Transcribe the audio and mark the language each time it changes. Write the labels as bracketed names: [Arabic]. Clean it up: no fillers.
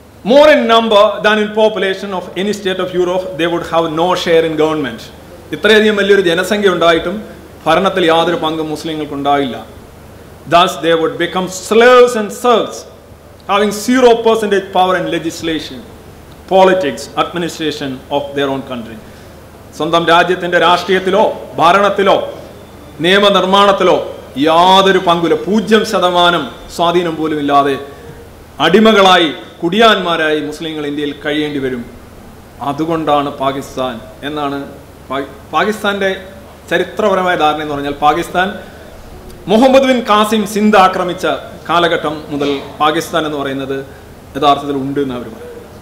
[English] More in number than in population of any state of Europe, they would have no share in government. [Malayalam] ഇത്രയധികം വലിയൊരു ജനസംഖ്യ ഉണ്ടായിട്ടും ഭരണത്തിൽ യാതൊരു പങ്കും മുസ്ലിങ്ങൾക്ക് ഉണ്ടാവില്ല. [English] Thus they would become slaves and serfs, having 0% power in legislation, politics, administration of their own country. [Malayalam] സ്വന്തം രാജ്യത്തിന്റെ രാഷ്ട്രീയത്തിലോ ഭരണത്തിലോ നിയമനിർമ്മാണത്തിലോ യാതൊരു പങ്കില്ല, 0% സ്വാധീനം പോലും ഇല്ലാതെ അടിമകളായി കുടിയാന്മാരായി മുസ്ലിങ്ങൾ ഇന്ത്യയിൽ കഴിയേണ്ടി വരും. അതുകൊണ്ടാണ് പാകിസ്ഥാൻ എന്നാണ് പാകിസ്ഥാന്റെ ചരിത്രപരമായ ധാരണ എന്ന് പറഞ്ഞാൽ, പാകിസ്ഥാൻ മുഹമ്മദ് ബിൻ കാസിം സിന്ധ് ആക്രമിച്ച കാലഘട്ടം മുതൽ പാകിസ്ഥാൻ എന്ന് പറയുന്നത് യഥാർത്ഥത്തിൽ ഉണ്ട് എന്ന് അവർ പറയും.